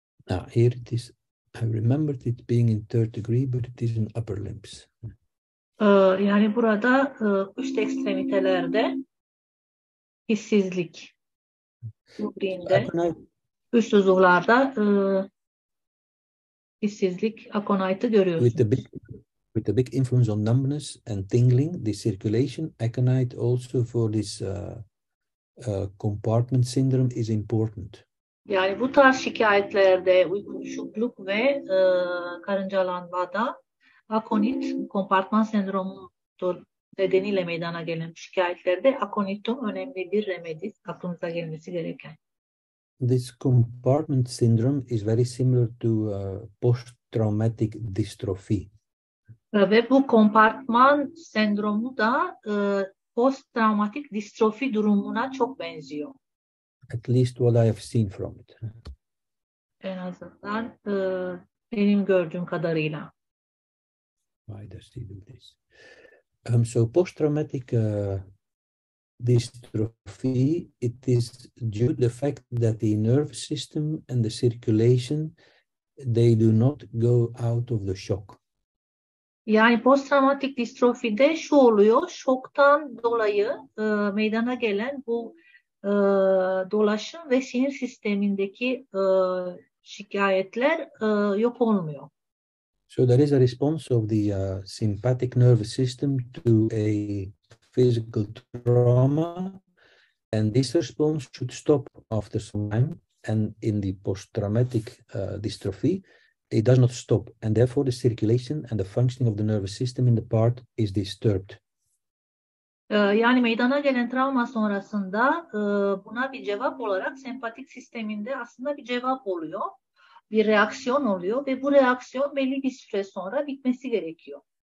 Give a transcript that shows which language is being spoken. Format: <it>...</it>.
<en>Now here it is. I remembered it being in third degree, but it is in upper limbs.</en> <tr>Yani burada üst ekstremitelerde hissizlik bulduğunda üst uzuvlarda hissizlik aconite'ı görüyorsunuz.</tr> <en>With a big influence on numbness and tingling, the circulation aconite also for this compartment syndrome is important.</en> <tr>Yani bu tarz şikayetlerde uyuşukluk ve karıncalanmada aconit, kompartman sendromu nedeniyle meydana gelen şikayetlerde aconit önemli bir remedi, aklımıza gelmesi gereken.</tr> <en>This compartment syndrome is very similar to post-traumatic dystrophy.</en> <tr>Ve bu kompartman sendromu da post-traumatik distrofi durumuna çok benziyor.</tr> <en>At least what I have seen from it.</en> <tr>En azından benim gördüğüm kadarıyla.</tr> <en>Why does he do this? So post-traumatic dystrophy, it is due to the fact that the nerve system and the circulation, they do not go out of the shock.</en> <tr>Yani post-traumatik distrofide şu oluyor, şoktan dolayı meydana gelen bu dolaşım ve sinir sistemindeki şikayetler yok olmuyor.</tr> <en>So there is a response of the sympathetic nervous system to a physical trauma and this response should stop after some time and in the post-traumatic dystrophy it does not stop and therefore the circulation and the functioning of the nervous system in the part is disturbed.</en> <tr>Yani meydana gelen travma sonrasında buna bir cevap olarak sempatik sisteminde aslında bir cevap oluyor. Bir reaksiyon oluyor ve bu reaksiyon belli bir süre sonra bitmesi gerekiyor.</tr>